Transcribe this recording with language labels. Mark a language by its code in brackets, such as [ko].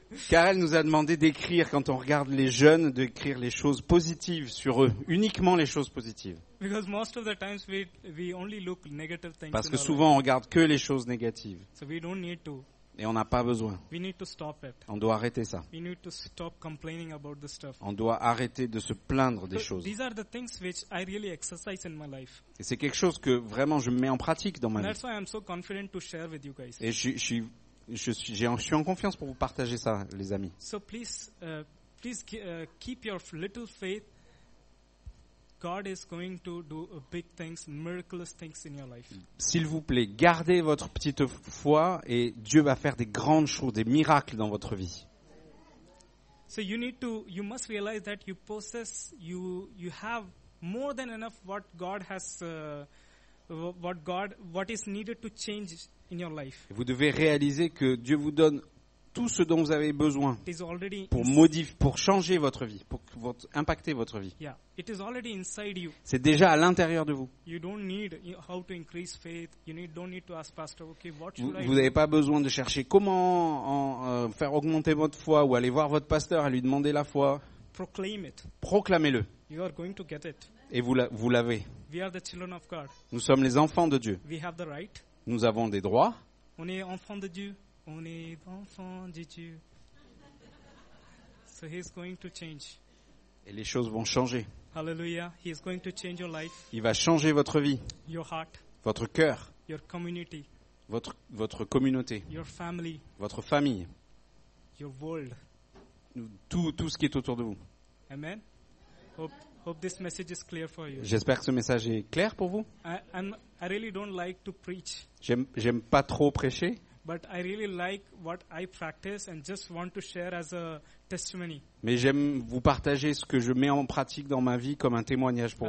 [fr] Carol nous a demandé d'écrire, quand on regarde les jeunes, d'écrire les choses positives sur eux, uniquement les choses positives. [en] Because most of the times we only look negative things. [fr] Parce que souvent, on ne regarde que les choses négatives. [en] So we don't need to. [fr] Et on n'a pas besoin. [en] We need to stop it. [fr] On doit arrêter ça. [en] We need to stop complaining about this stuff. [fr] On doit arrêter de se plaindre des choses. [en] These are the things which I really exercise in my life. [fr] Et c'est quelque chose que vraiment je mets en pratique dans ma vie. [en] That's why I'm so confident to share with you guys. [fr] Et je suis en confiance pour vous partager ça, les amis. [en] So please, please keep your little faith. God is going to do big things, miraculous things in your life. [fr] S'il vous plaît, gardez votre petite foi et Dieu va faire des grandes choses, des miracles dans votre vie. [en] So you must realize that you possess, you have more than enough what God has, what is needed to change in your life. [fr] Vous devez réaliser que Dieu vous donne tout ce dont vous avez besoin pour changer votre vie, pour impacter votre vie. [en] Yeah, it is already inside you. [fr] C'est déjà à l'intérieur de vous. [en] You don't need how to increase faith. You don't need to ask pastor. Okay, what should I do? [fr] Vous n'avez pas besoin de chercher comment faire augmenter votre foi ou aller voir votre pasteur et lui demander la foi. [en] Proclaim it. [fr] Proclamez-le. [en] You are going to get it. [fr] Et vous l'avez. [en] We are the children of God. [fr] Nous sommes les enfants de Dieu. [en] We have the right. [fr] Nous avons des droits. On est enfants de Dieu. On est enfant de Dieu. [en] So he's going to change. [fr] Et les choses vont changer. [en] Hallelujah. He is going to change your life. [fr] Il va changer votre vie. [en] Your heart. [fr] Votre cœur. [en] Your community. [fr] Votre communauté. [en] Your family. [fr] Votre famille. [en] Your world. [fr] Tout ce qui est autour de vous. [en] Amen. Hope this message is clear for you. [fr] J'espère que ce message est clair pour vous. [en] I really don't like to preach. [fr] J'aime pas trop prêcher. [en] But I really like what I practice and just want to share as a testimony. [fr] Mais j'aime vous partager ce que je mets en pratique dans ma vie comme un témoignage pour